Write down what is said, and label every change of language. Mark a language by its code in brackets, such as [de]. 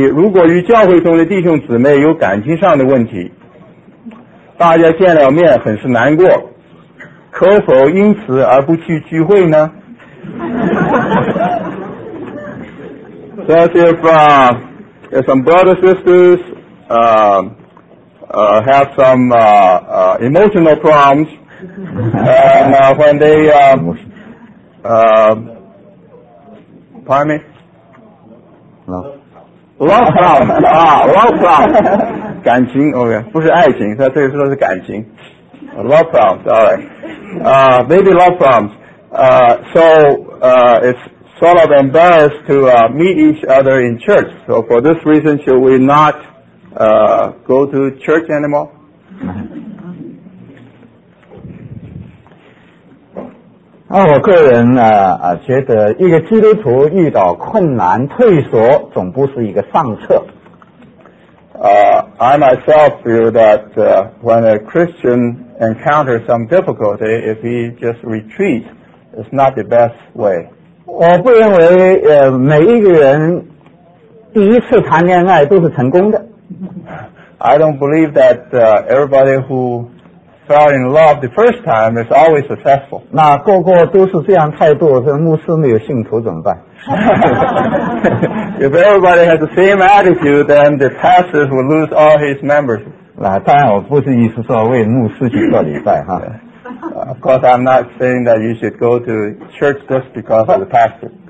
[zh] 如果与教会中的弟兄姊妹有感情上的问题，大家见了面很是难过，可否因此而不去聚会呢？ [en] That if some brothers, sisters have some emotional problems, and when they, pardon me? Love problems. Love problems. [zh] 感情 OK, 不是爱情，他这个说是感情。 [en] Love problems, alright. Maybe love problems. It's sort of embarrassed to meet each other in church. So for this reason, should we not go to church anymore? [zh] 我个人呢觉得一个基督徒遇到困难退缩总不是一个上策。 [en] I myself feel that when a Christian encounters some difficulty, if he just retreats, it's not the best way. [zh] 我不认为每一个人第一次谈恋爱都是成功的。 [en] I don't believe that everybody who fell in love the first time is always successful. [zh] 那个个都是这样态度，这牧师没有信徒怎么办？ [en] If everybody has the same attitude, then the pastor will lose all his members. [zh] 那当然，我不是意思说为牧师去做礼拜哈。 [en] Of course, I'm not saying that you should go to church just because of the pastor.